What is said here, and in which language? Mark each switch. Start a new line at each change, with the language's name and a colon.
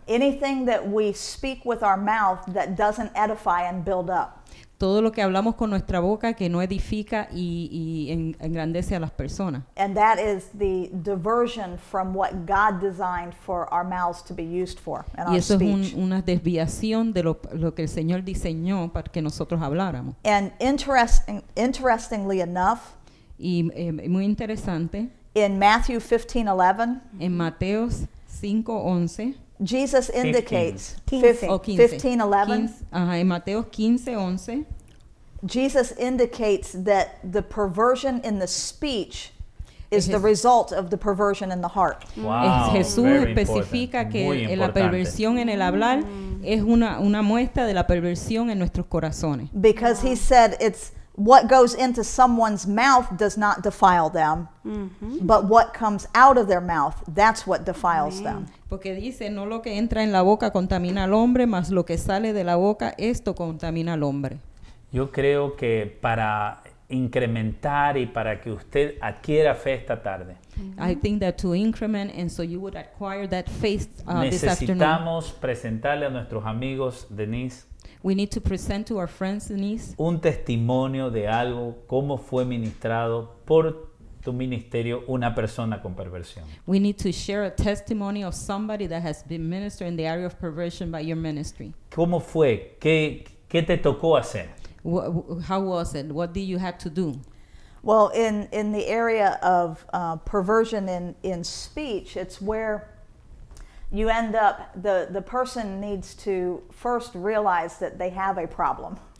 English: Anything that we speak with our mouth that doesn't edify and build up.
Spanish: Todo lo que hablamos con nuestra boca que no edifica y engrandece a las personas.
English: And that is the diversion from what God designed for our mouths to be used for in our speech.
Spanish: Y eso es una desviación de lo que el Señor diseñó para que nosotros habláramos.
English: And interestingly enough,
Spanish: y muy interesante,
English: in Matthew 15:11,
Spanish: en Mateo 5:11,
English: Jesus indicates 15:11. Jesus indicates that the perversion in the speech is the result of the perversion in the heart. Wow.
Spanish: Jesús especifica que la perversión en el hablar es una muestra de la perversión en nuestros corazones.
English: Because he said it's what goes into someone's mouth does not defile them, but what comes out of their mouth, that's what defiles them.
Spanish: Porque dice, no lo que entra en la boca contamina al hombre, mas lo que sale de la boca, esto contamina al hombre. Yo creo que para incrementar y para que usted adquiera fe esta tarde.
English: I think that to increment and so you would acquire that faith this afternoon.
Spanish: Necesitamos presentarle a nuestros amigos, Denise.
English: We need to present to our friends, Denise.
Spanish: Un testimonio de algo, cómo fue ministrado por tu ministerio una persona con perversión.
English: We need to share a testimony of somebody that has been ministered in the area of perversion by your ministry.
Spanish: ¿Cómo fue? ¿Qué te tocó hacer?
English: How was it? What did you have to do? Well, in the area of perversion in speech, it's where you end up, the person needs to first realize that they have a problem.